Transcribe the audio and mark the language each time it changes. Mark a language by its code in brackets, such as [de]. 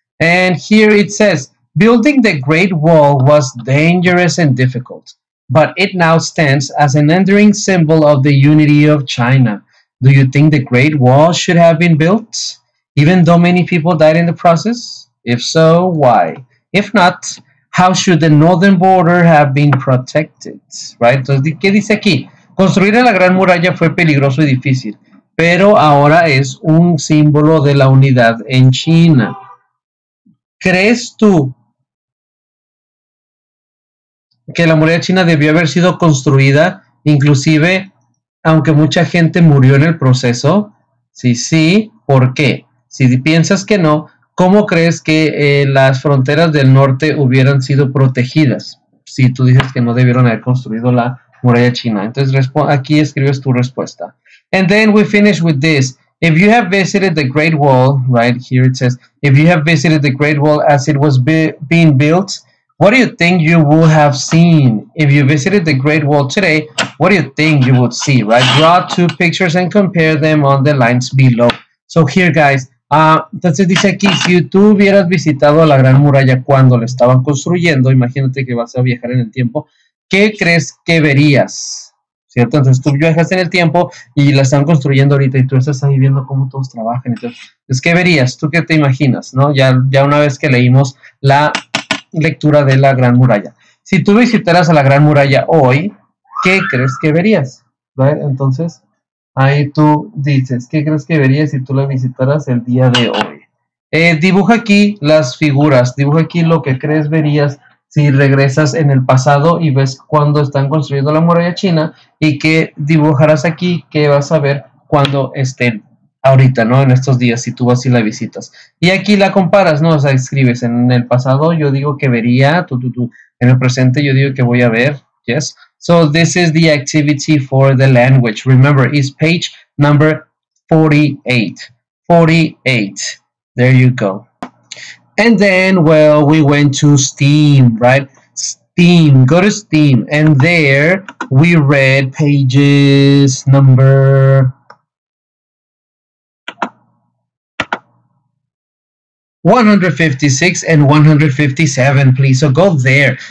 [en] And here it says, building the Great Wall was dangerous and difficult, but it now stands as an enduring symbol of the unity of China. Do you think the Great Wall should have been built, even though many people died in the process? If so, why? If not, how should the northern border have been protected? [es] Right? Entonces, ¿qué dice aquí? Construir la Gran Muralla fue peligroso y difícil, pero ahora es un símbolo de la unidad en China. ¿Crees tú que la muralla china debió haber sido construida, inclusive aunque mucha gente murió en el proceso? Si sí, ¿por qué? Si piensas que no, ¿cómo crees que las fronteras del norte hubieran sido protegidas? Si tú dices que no debieron haber construido la muralla china. Entonces aquí escribes tu respuesta. [en] And then we finish with this. If you have visited the Great Wall, right here it says, if you have visited the Great Wall as it was being built, what do you think you would have seen? If you visited the Great Wall today, what do you think you would see, right? Draw two pictures and compare them on the lines below. So here, guys, [es] entonces dice aquí, si tú hubieras visitado la Gran Muralla cuando la estaban construyendo, imagínate que vas a viajar en el tiempo, ¿qué crees que verías? ¿Cierto? Entonces tú viajas en el tiempo y la están construyendo ahorita y tú estás ahí viendo cómo todos trabajan. Entonces, ¿qué verías? ¿Tú qué te imaginas? ¿No? Ya una vez que leímos la lectura de la Gran Muralla. Si tú visitaras a la Gran Muralla hoy, ¿qué crees que verías? ¿Vale? Entonces, ahí tú dices, ¿qué crees que verías si tú la visitaras el día de hoy? Dibuja aquí las figuras, dibuja aquí lo que crees verías si regresas en el pasado y ves cuando están construyendo la muralla china y que dibujarás aquí que vas a ver cuando estén ahorita, ¿no? En estos días, si tú vas y la visitas. Y aquí la comparas, ¿no? O sea, escribes en el pasado, yo digo que vería, tú, en el presente yo digo que voy a ver, ¿yes? [en] So this is the activity for the language. Remember, it's page number 48. There you go. And then, well, we went to Steam, right? Steam, go to Steam. And there we read pages number 156 and 157, please. So go there.